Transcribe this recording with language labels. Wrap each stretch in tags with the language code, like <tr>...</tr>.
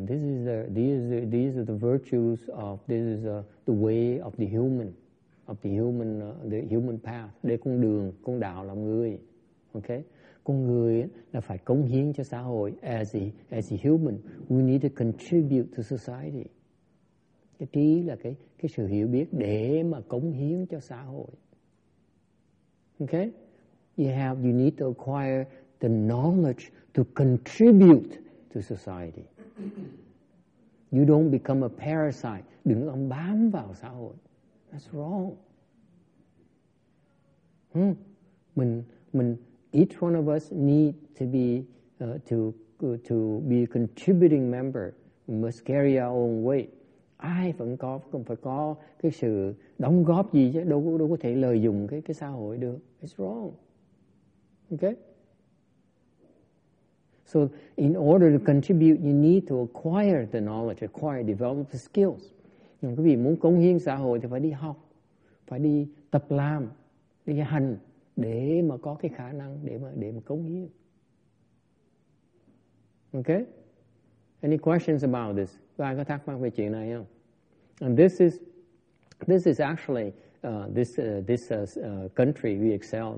<en>These are the virtues of, this is the way of the human. Of the human path,</en> <vi>để con đường, con đạo làm người. Okay? Con người là phải cống hiến cho xã hội.</vi> <en>As a human, we need to contribute to society.</en> <vi>Cái trí là cái sự hiểu biết để mà cống hiến cho xã hội.</vi> <en>Okay? You need to acquire the knowledge to contribute to society. You don't become a parasite.</en> <vi>Đừng ông bám vào xã hội.</vi> <en>That's wrong.</en> <vi>Mình</vi> <en>each one of us need to be to be a contributing member. We must carry our own weight.</en> <vi>Ai vẫn có cũng phải có cái sự đóng góp gì chứ, đâu có thể lợi dụng cái xã hội được.</vi> <en>It's wrong. Okay? So in order to contribute, you need to acquire the knowledge, acquire, develop the skills.</en> <vi>Quý vị muốn cống hiến xã hội thì phải đi học, phải đi tập làm, đi hành để mà có cái khả năng để mà cống hiến.</vi> <en>Okay? Any questions about this?</en> <vi>Có ai có thắc mắc về chuyện này không?</vi> <en>And this is actually country we excel.</en>